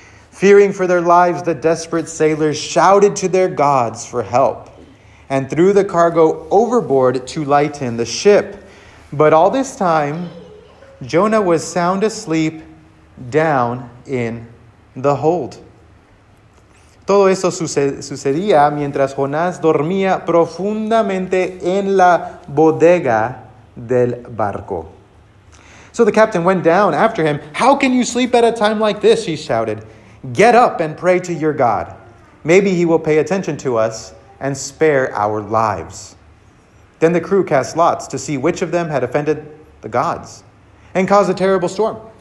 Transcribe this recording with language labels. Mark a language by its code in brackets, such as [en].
[en] Fearing for their lives, the desperate sailors shouted to their gods for help and threw the cargo overboard to lighten the ship. But all this time, Jonah was sound asleep down in the hold. [es] Todo eso sucedía mientras Jonás dormía profundamente en la bodega del barco. [en] So the captain went down after him. "How can you sleep at a time like this?" he shouted. "Get up and pray to your God. Maybe he will pay attention to us and spare our lives." Then the crew cast lots to see which of them had offended the gods and caused a terrible storm.